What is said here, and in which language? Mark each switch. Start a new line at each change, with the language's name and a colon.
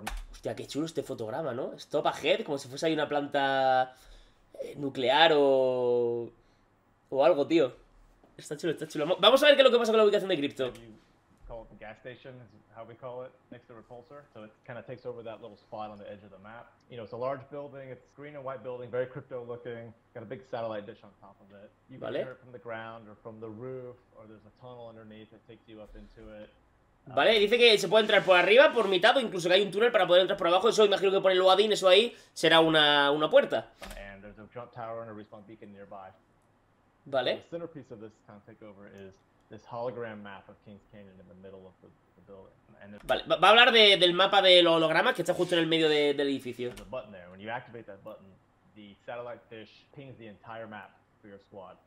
Spanish: Hostia, qué chulo este fotograma, ¿no?
English: Stop ahead,
Spanish: como si fuese ahí una planta nuclear o algo, tío. Está chulo, está chulo. Vamos a ver qué es lo que pasa con la ubicación de Crypto.
English: Gas station is how we call it next to repulsor, so it kind of takes over that little spot on the edge of the map. You know, it's a large building, it's green and white building, very crypto looking, got a big satellite dish on top of it. You can hear it from the ground or from the roof, or there's a tunnel underneath that takes you up into it.
Spanish: Vale, dice que se puede entrar por arriba, por mitad, o incluso que hay un túnel para poder entrar por abajo. Eso imagino que pone el loading, eso ahí será una puerta.
English: And there's a jump tower and a respawn beacon nearby. Vale, so the centerpiece of this kind of takeover is this hologram map of King's Canyon in the middle of the building.
Spanish: And vale, va a hablar del mapa de los hologramas que está justo en el medio del edificio.
English: There's a button there. When you activate that button, the satellite dish pings the entire map for your squad.